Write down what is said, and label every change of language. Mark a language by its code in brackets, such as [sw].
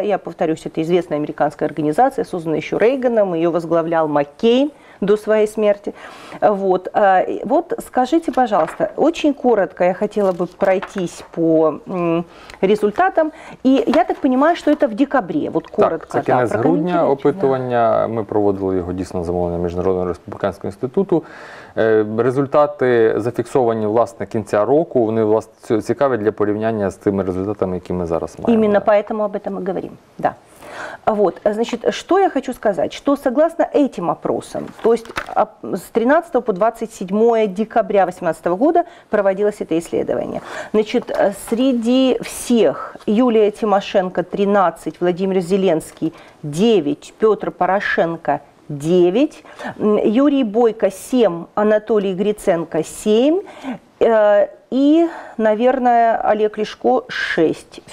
[ru] Я повторюсь, это известная американская организация, созданная еще Рейганом, ее возглавлял Маккейн до своей смерти. Вот. Вот скажите, пожалуйста, очень коротко я хотела бы пройтись по результатам. И я так понимаю, что это в декабре. Вот коротко. [uk] Так, це кінець грудня опитування. Да. Ми проводили його дійсно замовлення Міжнародного республіканського інституту. Результати зафіксовані, власне, кінця року. Вони, власне, цікаві для порівняння з тими результатами, які ми зараз маємо. [ru] Іменно поэтому об этом и говорим. Да. Вот, значит, что я хочу сказать, что согласно этим опросам, то есть с 13 по 27 декабря 2018 года проводилось это исследование, значит, среди всех Юлия Тимошенко 13, Владимир Зеленский 9, Петр Порошенко 9, Юрий Бойко 7, Анатолий Гриценко 7, и, наверное, Олег Ляшко 6.